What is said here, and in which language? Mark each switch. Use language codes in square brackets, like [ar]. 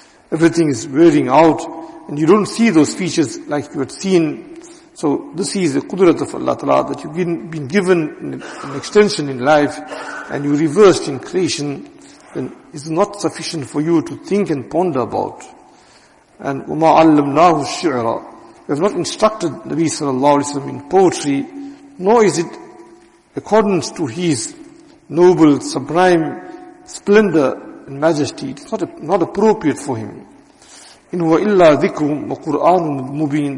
[en] Everything is wearing out, and you don't see those features like you had seen. So this is the qudrat of Allah Ta'ala, that you've been given an extension in life, and you reversed in creation, then it's not sufficient for you to think and ponder about. [ar] And وَمَا عَلَّمْنَاهُ الشِّعْرَ. [en] We have not instructed Nabi Sallallahu Alaihi Wasallam in poetry, nor is it accordance to his noble, sublime splendor and majesty. It's not appropriate for him. [ar] In wa illa dhikru wa qur'anu mubin.